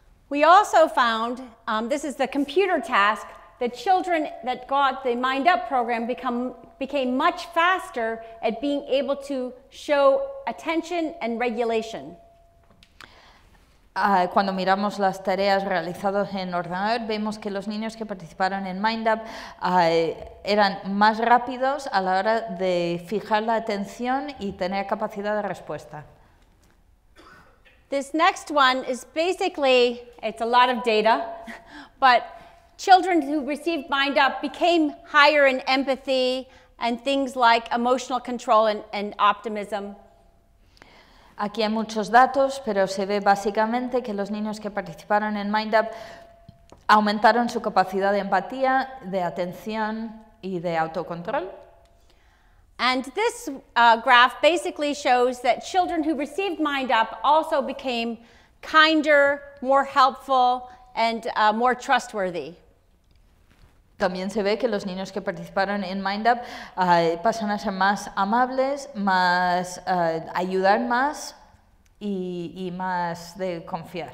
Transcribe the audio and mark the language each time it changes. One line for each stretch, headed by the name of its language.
English: We also found, this is the computer task, that children that got the Mind Up program became much faster at being able to show attention and regulation.
Spanish: Cuando miramos las tareas realizadas en ordenador, vemos que los niños que participaron en MindUp eran más rápidos a la hora de fijar la atención y tener capacidad de respuesta.
English: This next one is basically, it's a lot of data, but children who received MindUp became higher in empathy and things like emotional control and optimism.
Spanish: Aquí hay muchos datos, pero se ve básicamente que los niños que participaron en MindUp aumentaron su capacidad de empatía, de atención y de autocontrol.
English: And this graph basically shows that children who received MindUp also became kinder, more helpful, and more trustworthy.
Spanish: También se ve que los niños que participaron en MindUp pasan a ser más amables, más ayudar más y más de confiar.